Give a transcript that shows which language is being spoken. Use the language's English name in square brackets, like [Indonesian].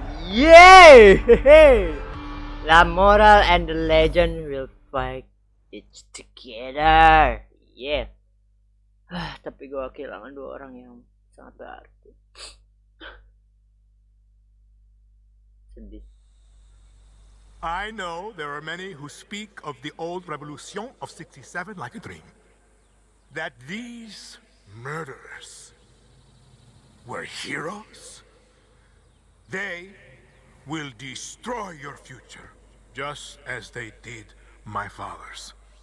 [English] Yay! La moral and the legend will fight it together. Yeah. [Indonesian] Tapi gua kehilangan dua orang yang sangat berarti. Sedih. [English] I know there are many who speak of the old revolution of 67 like a dream. That these murderers were heroes? They will destroy your future, just as they did my father's.